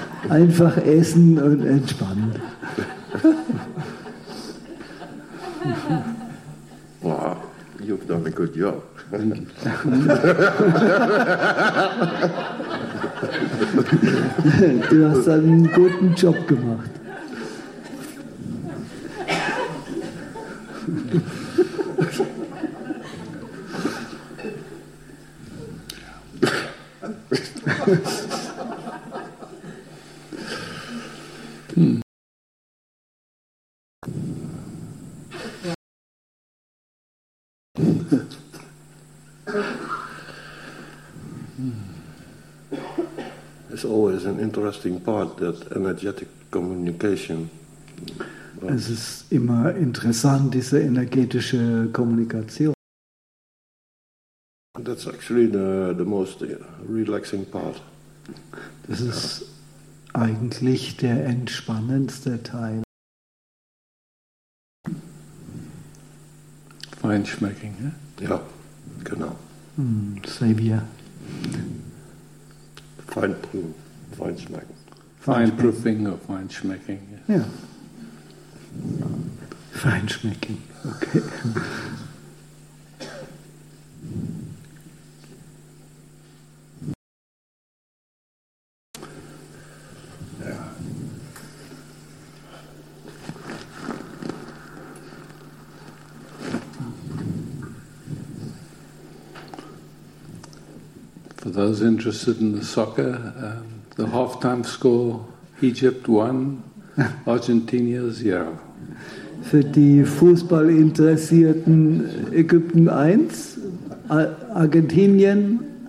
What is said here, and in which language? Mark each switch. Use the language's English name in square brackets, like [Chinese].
[German] Einfach essen und entspannen. [English] Wow, you've done a good job. [German] Du hast einen guten Job gemacht. [English] It's always an interesting part, that energetic communication. [German] Es ist immer interessant, diese energetische Kommunikation. [English] That's actually the most relaxing part. [German] Das ist eigentlich der entspannendste Teil. Feinschmecking, ja? Ja, genau. Xavier. Feinproof, feinschmecking. [English] Feinproofing or feinschmecking, yes. [German] Ja. [English] Feinschmecking, okay. [German] Ja. [English] For those interested in the soccer, the halftime score, Egypt 1, Argentina 0. [German] Für die Fußballinteressierten, Ägypten 1, Argentinien